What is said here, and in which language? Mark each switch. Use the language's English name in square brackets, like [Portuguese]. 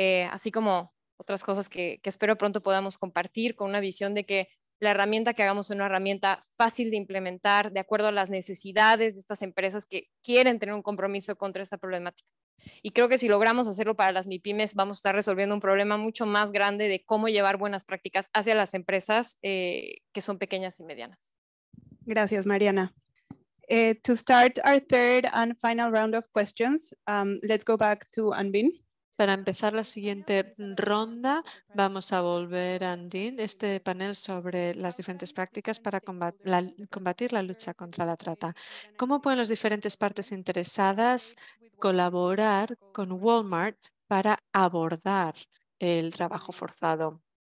[Spanish] así como otras cosas que espero pronto podamos compartir, con una visión de que la herramienta que hagamos es una herramienta fácil de implementar de acuerdo a las necesidades de estas empresas que quieren tener un compromiso contra esta problemática. Y creo que si logramos hacerlo para las MIPYMES, vamos a estar resolviendo un problema mucho más grande de cómo llevar buenas prácticas hacia las empresas que son pequeñas y medianas. Gracias, Mariana. [English] To start our third and final round of questions, let's go back to Anbin. [Spanish] Para empezar la siguiente ronda, vamos a volver a Andin, este panel sobre las diferentes prácticas para combatir la lucha contra la trata. ¿Cómo pueden las diferentes partes interesadas colaborar con Walmart para abordar el trabajo forzado?